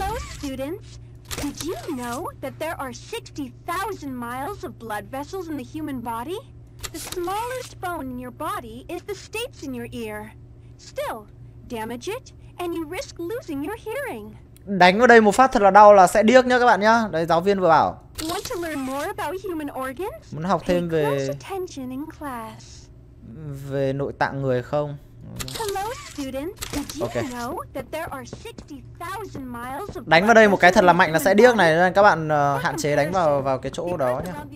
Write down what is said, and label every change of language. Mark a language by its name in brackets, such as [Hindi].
[English] Students, did you know that there are 60,000 miles of blood vessels in the human body? The smallest bone in your body is the stapes in your ear. Still, damage it and you risk losing your hearing. [Vietnamese] Đánh vào đây một phát thật là đau là sẽ điếc nhá các bạn nhá. Đấy, giáo viên vừa bảo. [English] Want to learn more about human organs? [Vietnamese] Muốn học thêm về [English] attention in class. [Vietnamese] Về nội tạng người không? [English] Hello students, did you know that there are 60,000 miles of... [Vietnamese] Đánh vào đây một cái thật là mạnh là sẽ điếc này, nên các bạn hạn chế đánh vào cái chỗ đó nhá.